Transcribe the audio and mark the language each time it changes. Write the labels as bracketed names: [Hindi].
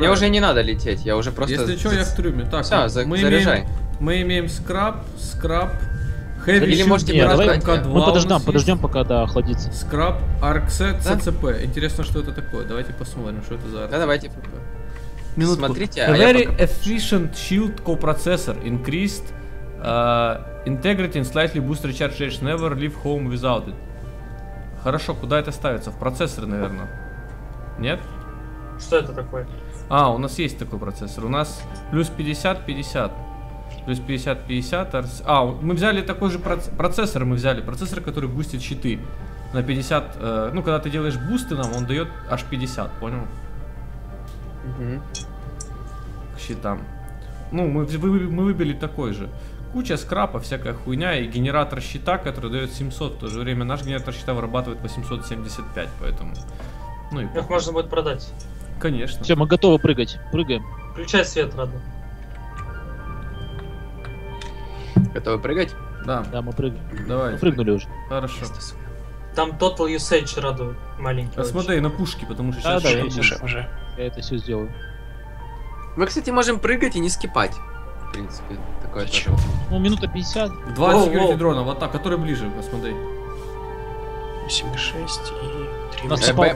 [Russian] А мне уже не надо лететь, я уже просто... Если что, я в трюме. Так, все, заряжай. Мы имеем скраб... Или можете подождать. Мы подождем, пока да, охладится. Scrap RXC CCP. Да? Интересно, что это такое. Давайте посмотрим, что это за RXC. Да, давайте. Минутку. Смотрите, [English] а Very efficient shield co-processor. Increased integrity and slightly booster charge rate. Never leave home without it. [Russian] Хорошо, куда это ставится? В процессор, наверное. Нет? Что это такое? А, у нас есть такой процессор. У нас плюс 50-50. Плюс 50-50. А, мы взяли такой же процессор. Мы взяли процессор, который бустит щиты на 50. Ну, когда ты делаешь бусты нам, он дает аж 50, понял? Угу. К щитам. Ну, мы выбили такой же. Куча скрапа, всякая хуйня. И генератор щита, который дает 700. В то же время наш генератор щита вырабатывает 875, поэтому ну и их можно будет продать. Конечно. Все, мы готовы прыгать, прыгаем. Включай свет, Радо. Готовы прыгать? Да. Да, мы прыгаем. Давай. Мы прыгнули уже. Хорошо. Там Total Usage Radu маленький. А смотри, на пушки, потому что сейчас... Да, да, уже. Я это все сделаю. Мы, кстати, можем прыгать и не скипать. В принципе, такое же. Ну, минута 50. Два security дрона, вот так, который ближе, посмотри. 8,6 и...